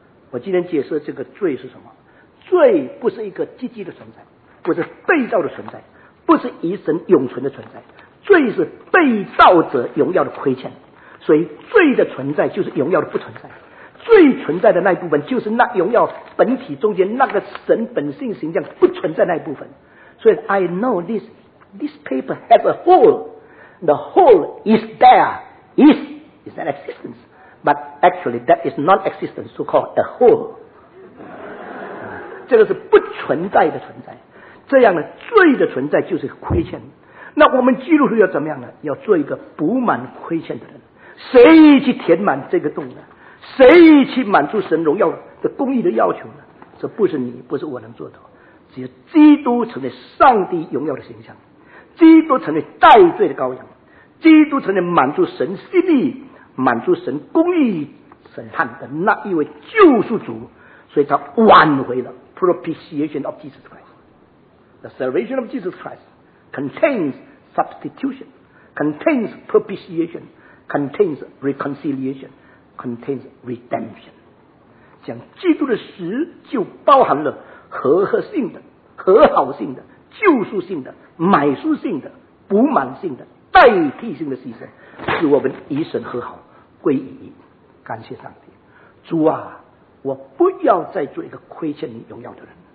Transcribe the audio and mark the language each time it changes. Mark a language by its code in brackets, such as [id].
[zh] 我今天解释这个罪是什么？罪不是一个积极的存在，不是被造的存在，不是与神永存的存在。罪是被造者荣耀的亏欠，所以罪的存在就是荣耀的不存在。罪存在的那一部分，就是那荣耀本体中间那个神本性形象不存在那一部分。 [en] 所以 I know this paper has a hole. The hole is there, is an existence, but actually that is non-existence, so called a hole. [zh] 这个是不存在的存在，这样的罪的存在就是亏欠。那我们基督徒要怎么样呢？要做一个补满亏欠的人。谁去填满这个洞呢？谁去满足神荣耀的公义的要求呢？这不是你，不是我能做的。只有基督成为上帝荣耀的形象，基督成为代罪的羔羊，基督成为满足神心意、满足神公义审判的那一位救赎主，所以他挽回了。 [en] Propitiation of Jesus Christ. The salvation of Jesus Christ contains substitution, contains propitiation, contains reconciliation, contains redemption. [zh] 讲基督的死就包含了和合性的、和好性的、救赎性的、买赎性的、补满性的、代替性的牺牲，使我们与神和好，归于你。感谢上帝。主啊，我不要再做一个亏欠你荣耀的人。